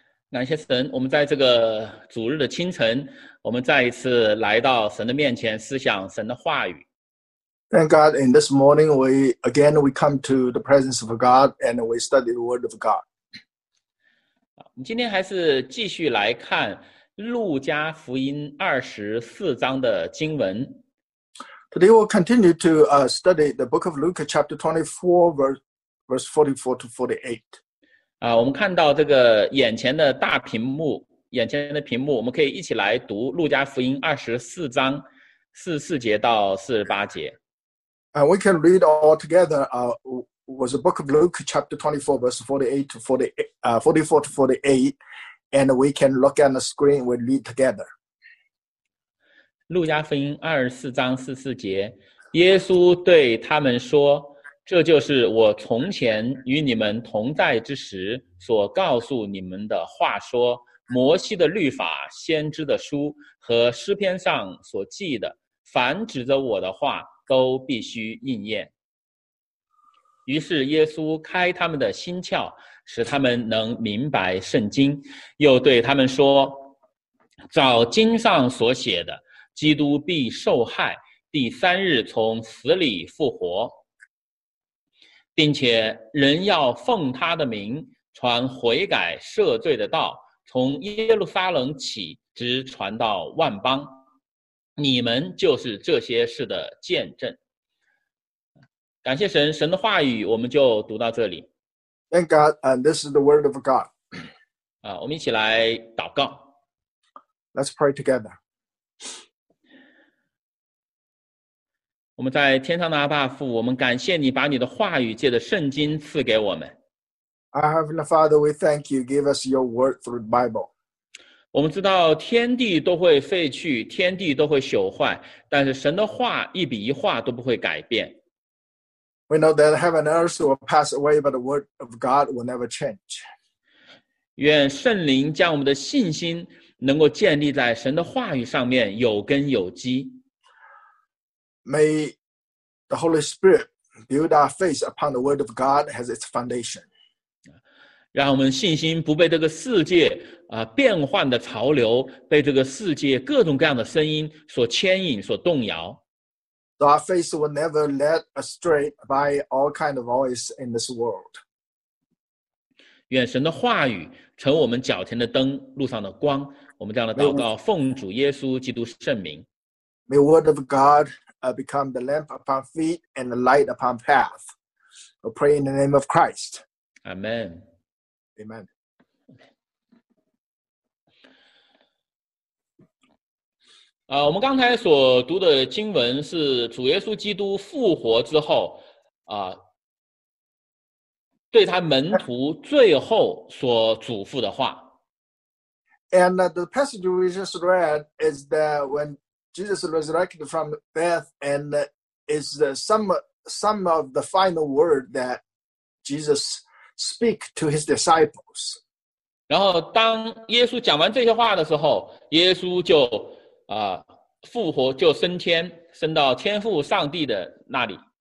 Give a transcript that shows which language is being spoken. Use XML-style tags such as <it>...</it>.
<zh>感谢神，我们在这个主日的清晨，我们再一次来到神的面前，思想神的话语。</zh> <en>Thank God, in this morning, we come to the presence of God and we study the Word of God.</en> <zh>今天还是继续来看路加福音24章的经文。</zh> <en>Today we'll continue to study the book of Luke, chapter 24, verse 44 to 48.</en> <zh>我们看到这个眼前的大屏幕，眼前的屏幕，我们可以一起来读《路加福音》24章44节到48节。</zh> <en>We can read all together. Was the book of Luke, chapter 24, verse 48 to 48, 44 to 48, and we can look on the screen. We read together.</en> <zh>路加福音24章44节，耶稣对他们说。这就是我从前与你们同在之时所告诉你们的话说，摩西的律法、先知的书和诗篇上所记的，凡指着我的话都必须应验。于是耶稣开他们的心窍，使他们能明白圣经，又对他们说，照经上所写的，基督必受害，第三日从死里复活。并且人要奉他的名传悔改赦罪的道，从耶路撒冷起直传到万邦，你们就是这些事的见证。感谢神，神的话语我们就读到这里。</zh> <en>Thank God, and this is the word of God.</en> <zh>我们一起来祷告。</zh> <en>Let's pray together.</en> <zh>我们在天上的阿爸父，我们感谢你把你的话语借着圣经赐给我们。</zh> <en>Our Heavenly Father, we thank you, give us your word through the Bible.</en> <zh>我们知道天地都会废去，天地都会朽坏，但是神的话一笔一画都不会改变。</zh> <en>We know that heaven and earth will pass away, but the word of God will never change.</en> <zh>愿圣灵将我们的信心能够建立在神的话语上面，有根有基。</zh> <en>May the Holy Spirit build our faith upon the Word of God as its foundation.</en> <zh>让我们信心不被这个世界变幻的潮流，被这个世界各种各样的声音所牵引、所动摇。</zh> <en>So our faith will never led astray by all kind of voice in this world.</en> <zh>愿神的话语成我们脚前的灯、路上的光。我们这样的祷告，奉主耶稣基督圣名。</zh> <en>May Word of God. Become the lamp upon feet and the light upon path. We pray in the name of Christ. Amen. Amen.</en> <zh>我们刚才所读的经文是主耶稣基督复活之后对他门徒最后所嘱咐的话。</zh> <en>And the passage we just read is that whenJesus resurrected from death and is some of the final word that Jesus speak to his disciples.</en> <zh>然后当耶稣讲完这些话的时候，耶稣就复活，就升天，升到天父上帝的那里。</zh>